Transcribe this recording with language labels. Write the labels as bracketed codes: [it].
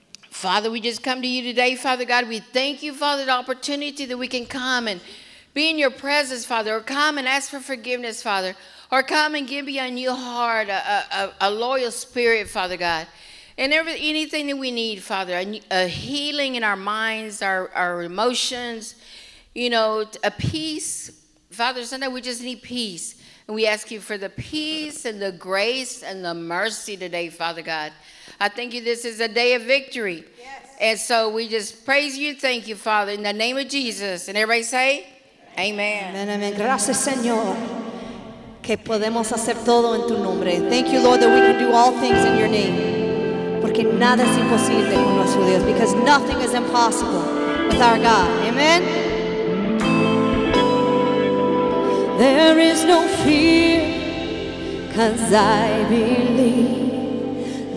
[en] Father, we just come to you today. Father God, we thank you, Father, the opportunity that we can come and be in your presence, Father, or come and ask for forgiveness, Father, or come and give me a new heart, a loyal spirit, Father God, and anything that we need, Father, a healing in our minds, our emotions, you know, a peace. Father, sometimes we just need peace, and we ask you for the peace and the grace and the mercy today, Father God. I thank you. This is a day of victory. Yes. And so we just praise you. Thank you, Father, in the name of Jesus. And everybody say, amen. Amen, amen. [es] Gracias, Señor, que podemos hacer todo en tu nombre. [en] Thank you, Lord, that we can do all things in your name. [es] Porque nada es imposible con nuestro Dios. [en] Because nothing is impossible with our God. Amen. There is no fear, cause I believe.